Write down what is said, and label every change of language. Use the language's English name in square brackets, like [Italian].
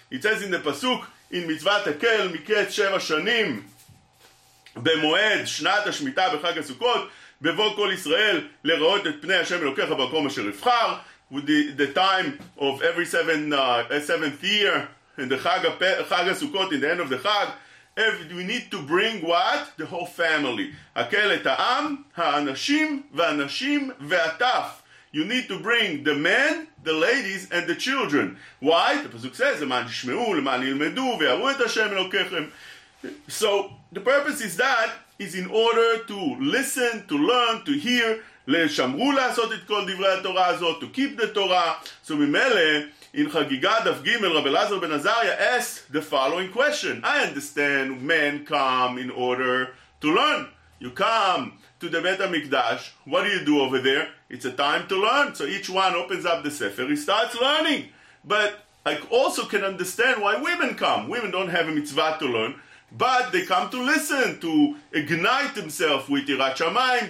[English] It says in the Pasuk, in Mitzvat HaKel, [Hebrew] Miket Sheva Shanim, Bemoed, Shnat HaShmita, Bechag HaSukkot, בבוא כל ישראל לראות את פני השם אלוקיך במקום אשר יבחר. [English] The time of every seventh year in the Chag HaSukkot, in the end of the Chag, we need to bring what? The whole family. [Hebrew] הקל את העם, האנשים והנשים והטף. [English] You need to bring the men, the ladies, and the children. Why? The פסוק says, [Hebrew] למען ישמעו, למען ילמדו, ויראו את השם אלוקיכם. [English] So the purpose is that is in order to listen, to learn, to hear, [Hebrew] לשמרו לעשות את כל דברי התורה הזאת, [English] to keep the Torah. [Hebrew] So ממלא, in חגיגה דף גימל, רב אלעזר בן עזריה [English] asked the following question. I understand men come in order to learn. You come to the Beit HaMikdash. What do you do over there? It's a time to learn. So each one opens up the sefer, he starts learning. But I also can understand why women come. Women don't have a mitzvah to learn, but they come to listen, to ignite themselves with Yirat Shamayim.